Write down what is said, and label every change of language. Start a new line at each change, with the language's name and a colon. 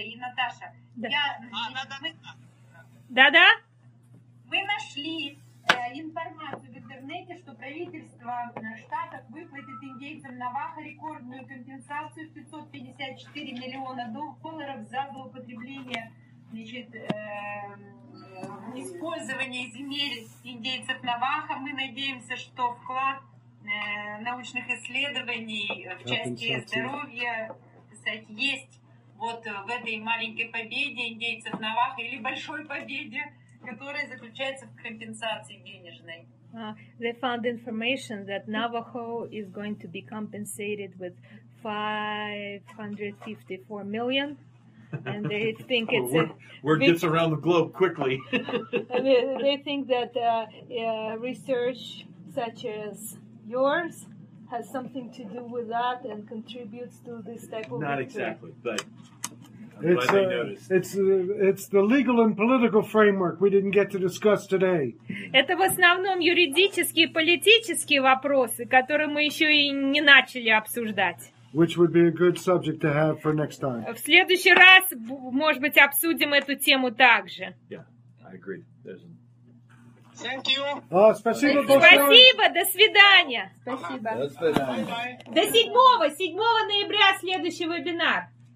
Russian: И Наташа, мы нашли информацию в интернете, что правительство штатов выплатит индейцам Наваха рекордную компенсацию в 554 миллиона долларов за злоупотребление, использование земель индейцев Наваха. Мы надеемся, что вклад научных исследований в части здоровья, кстати, есть. Вот в этой маленькой победе индейцев Наваха или большой победе, которая заключается в компенсации денежной.
English: They found information that Navajo is going to be compensated with 554 million. And they think it's word gets around the globe quickly. They think that research such as yours has something to do with that and contributes to this type of not victory. Exactly, but It's the legal and political framework we didn't get to discuss today.
Russian: Это в основном юридические и политические вопросы, которые мы еще и не начали обсуждать.
English: Which would be a good subject to have for next time.
Russian: В следующий раз, может быть, обсудим эту тему также.
English: Yeah, I agree. There's... Thank you.
Russian: Спасибо, спасибо, до свидания. Спасибо.
English: Bye-bye.
Russian: До 7-го, 7 ноября следующий вебинар.